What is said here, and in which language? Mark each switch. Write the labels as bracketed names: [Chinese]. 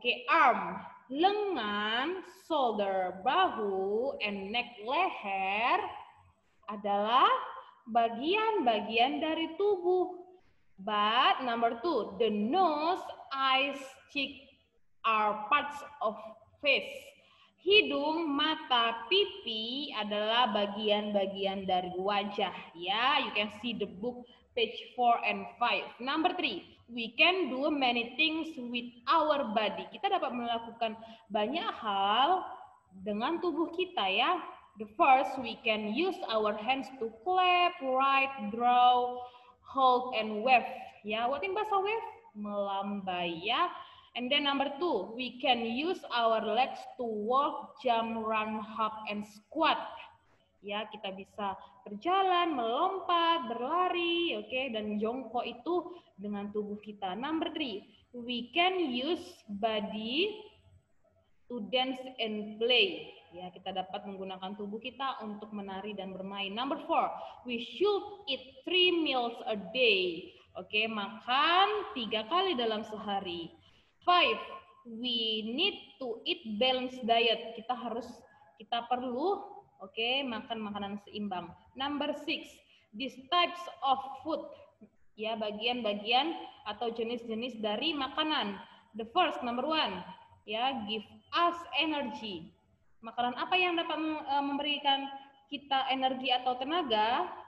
[Indonesian] Arm, lengan, shoulder, bahu, and neck, leher adalah bagian-bagian dari tubuh. [English] But number two, the nose, eyes, cheek are parts of face. [Indonesian] Hidung, mata, pipi adalah bagian-bagian dari wajah. [English] Ya, yeah, you can see the book page 4 and 5. Number three, we can do many things with our body. [Indonesian] Kita dapat melakukan banyak hal dengan tubuh kita ya. [English] The first, we can use our hands to clap, write, draw, hold, and wave. Ya, what in bahasa wave? Melambai, ya. And then number two, we can use our legs to walk, jump, run, hop, and squat. [Indonesian] Ya, kita bisa berjalan, melompat, berlari, dan jongkok itu dengan tubuh kita. [English] Number three, we can use body to dance and play. [Indonesian] Ya, kita dapat menggunakan tubuh kita untuk menari dan bermain. [English] Number four, we should eat 3 meals a day. [Indonesian] Makan 3 kali dalam sehari. [English] Five, we need to eat balanced diet. [Indonesian] Kita perlu makan makanan seimbang. [English] Number six, these types of food. [Indonesian] Ya, bagian-bagian atau jenis-jenis dari makanan. [English] The first, number one, ya, give us energy. [Indonesian] Makanan apa yang dapat memberikan kita energi atau tenaga?